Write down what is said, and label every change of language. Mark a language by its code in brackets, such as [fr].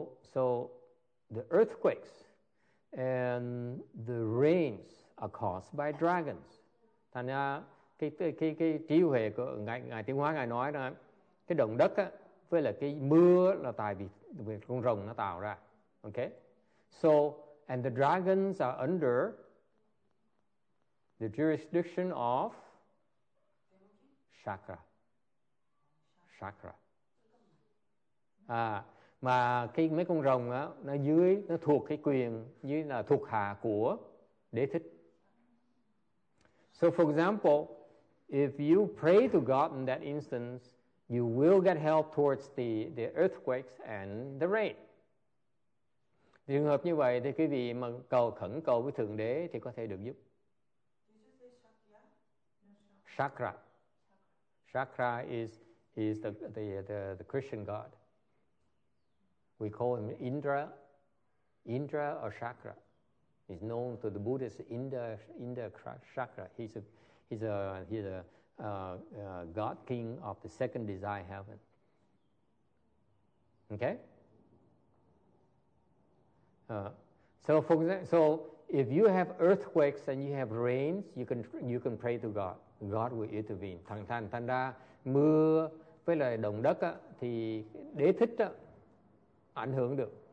[en] So the earthquakes and the rains are caused by dragons. [vi] Thành ra cái trí huệ của ngài tiếng hóa ngài nói là cái động đất á với là cái mưa là tại vì con rồng nó tạo ra. [en] Okay, so and the dragons are under the jurisdiction of chakra. [vi] À, mà cái mấy con rồng á nó dưới nó thuộc cái quyền như là thuộc hạ của đế thích. [en] So for example, if you pray to God in that instance, you will get help towards the earthquakes and the rain. [vi] Trường hợp như vậy thì quý vị mà cầu khẩn cầu với thượng đế thì có thể được giúp. [en] Chakra. Chakra is the Christian god. We call him Indra or Chakra. He's known to the Buddhist Indra Chakra. He's a god king of the second desire heaven. Okay? So if you have earthquakes and you have rains, you can pray to God. God will intervene. [vi] Thành ra mưa với lại động đất á, thì đế thích á, ảnh hưởng được.